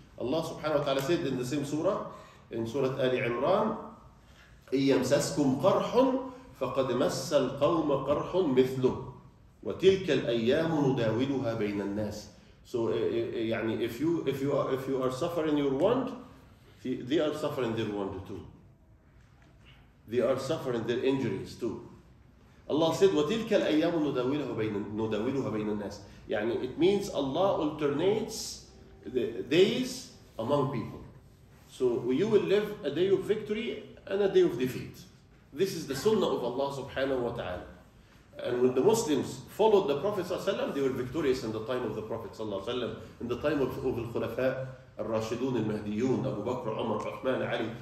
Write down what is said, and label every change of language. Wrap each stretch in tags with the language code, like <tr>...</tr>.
<en>Allah subhanahu wa ta'ala said in the same surah, in Surah Ali Imran,</en> <ar>إِن يَمْسَسْكُمْ قَرْحٌ فَقَدْ مَسَّ الْقَوْمَ قَرْحٌ مِثْلُهُ وَتِلْكَ الْأَيَّامُ نُدَاوِلُهَا بَيْنَ النَّاسِ.</ar> <en>So, يعني if you are suffering your want, they are suffering their want too. They are suffering their injuries too. Allah said,</en> <ar>وتلك الأيام نداولها بين الناس.</ar> <en>يعني it means Allah alternates the days among people. So you will live a day of victory and a day of defeat. This is the sunnah of Allah subhanahu wa ta'ala. And when the Muslims followed the Prophet sallallahu alayhi wa sallam, they were victorious in the time of the Prophet sallallahu alayhi wa sallam, in the time of the Khulafa, al-Rashidun, al-Mahdiyun, Abu Bakr, Umar, Rahman, Ali.</en>